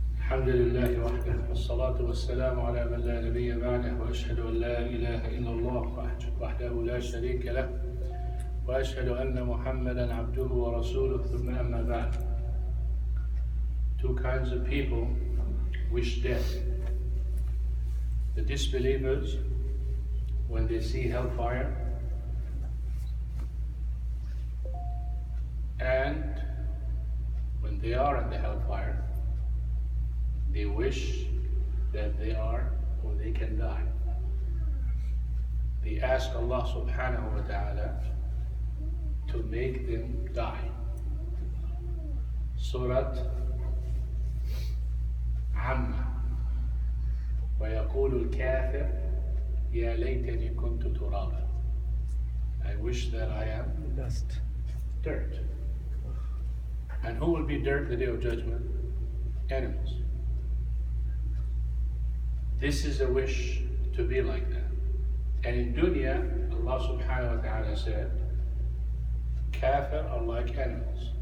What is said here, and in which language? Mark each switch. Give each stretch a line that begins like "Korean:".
Arabic: الحمد لله وحده والصلاة والسلام على من لا نبي بعده وأشهد أن لا إله إلا الله وحده لا شريك له وأشهد أن محمدا عبده ورسوله ثم أما بعد.
English: Two kinds of people wish death. The disbelievers, when they see hellfire, and when they are in the hellfire, they wish that they are or they can die. They ask Allah subhanahu wa ta'ala to make them die. Surat Amma.
Arabic: وَيَقُولُ الْكَافِرُ يَا لَيْتَنِي كُنْتُ تُرَابًا.
English: I wish that I am dust, dirt. And who will be dirt the day of judgment? Animals. This is a wish to be like that. And in dunya, Allah subhanahu wa ta'ala said, kafir are like animals.